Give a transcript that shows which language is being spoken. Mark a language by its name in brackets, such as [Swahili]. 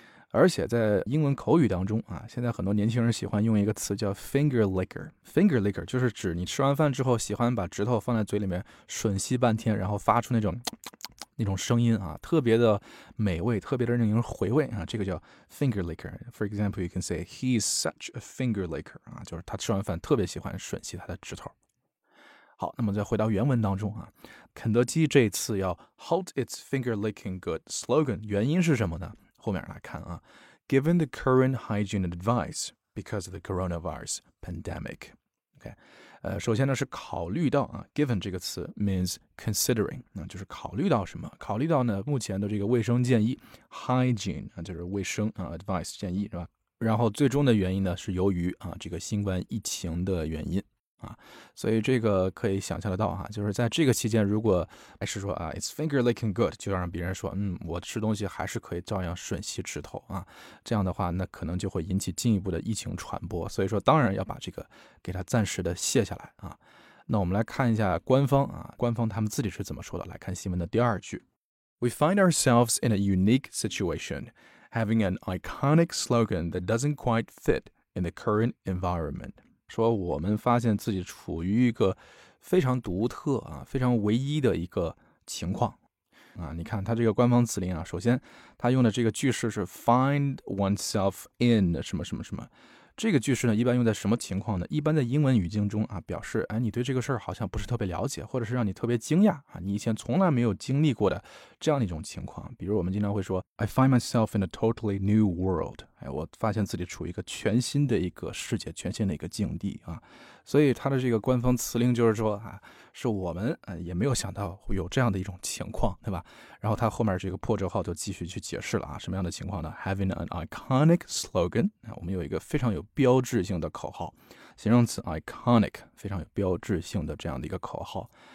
[Chinese] 而且在英文口语当中啊，现在很多年轻人喜欢用一个词叫 finger licker， finger licker 就是指你吃完饭之后喜欢把指头放在嘴里面吮吸半天，然后发出那种嘖嘖嘖那种声音啊，特别的美味，特别的令人回味啊，这个叫 finger licker。 [English] For example, you can say he's such a finger licker 啊， [Chinese] 就是他吃完饭特别喜欢吮吸他的指头。好，那么再回到原文当中啊，肯德基这次要 [English] halt its finger-licking good slogan， [Chinese] 原因是什么呢？后面来看啊， [English] given the current hygiene advice because of the coronavirus pandemic， OK， [Chinese] 首先呢是考虑到啊 ，given 这个词 means considering， 那就是考虑到什么？考虑到呢目前的这个卫生建议 ，hygiene 啊，就是卫生啊 ，advice 建议是吧？然后最终的原因呢是由于啊这个新冠疫情的原因。啊，所以这个可以想象得到哈，就是在这个期间，如果还是说啊 ， [English] it's finger licking good， [Chinese] 就让别人说，嗯，我吃东西还是可以照样吮吸指头啊，这样的话，那可能就会引起进一步的疫情传播。所以说，当然要把这个给它暂时的卸下来啊。那我们来看一下官方啊，官方他们自己是怎么说的？来看新闻的第二句 [English] ，We find ourselves in a unique situation, having an iconic slogan that doesn't quite fit in the current environment. [Chinese] 说我们发现自己处于一个非常独特啊，非常唯一的一个情况啊。你看他这个官方词令啊，首先他用的这个句式是 find oneself in 什么什么什么。这个句式呢，一般用在什么情况呢？一般在英文语境中啊，表示哎，你对这个事儿好像不是特别了解，或者是让你特别惊讶啊，你以前从来没有经历过的这样一种情况。比如我们经常会说 [English] ，I find myself in a totally new world。 [Chinese] 哎，我发现自己处于一个全新的一个世界，全新的一个境地啊。所以它的这个官方词令就是说啊，是我们也没有想到会有这样的一种情况，对吧？然后它后面这个破折号就继续去解释了啊，什么样的情况呢 ？ [English] Having an iconic slogan [Chinese] 啊，我们有一个非常有标志性的口号，形容词 iconic 非常有标志性的这样的一个口号。